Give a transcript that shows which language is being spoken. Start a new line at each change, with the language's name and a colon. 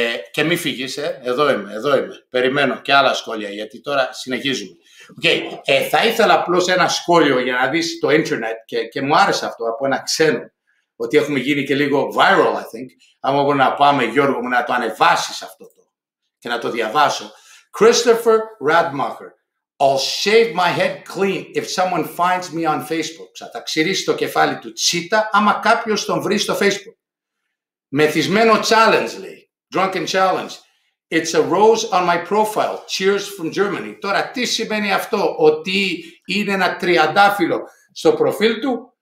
Greek: Και μη φύγεις, εδώ είμαι. Περιμένω και άλλα σχόλια, γιατί τώρα συνεχίζουμε. Okay. Θα ήθελα απλώς ένα σχόλιο για να δεις το ίντερνετ και μου άρεσε αυτό από ένα ξένο. Ότι έχουμε γίνει και λίγο viral,
English: I think.
Greek: Άμα μπορώ να πάμε, Γιώργο μου, να το ανεβάσεις αυτό το και να το διαβάσω.
English: Christopher Radmacher. I'll shave my head clean if someone finds me on Facebook.
Greek: Θα ξυρίσει το κεφάλι του τσίτα άμα κάποιος τον βρει στο Facebook. Μεθυσμένο challenge, λέει.
English: Drunken challenge. It's a rose on my profile. Cheers from Germany.
Greek: Τώρα, τι σημαίνει αυτό? Ότι είναι ένα τριαντάφυλλο στο προφίλ του?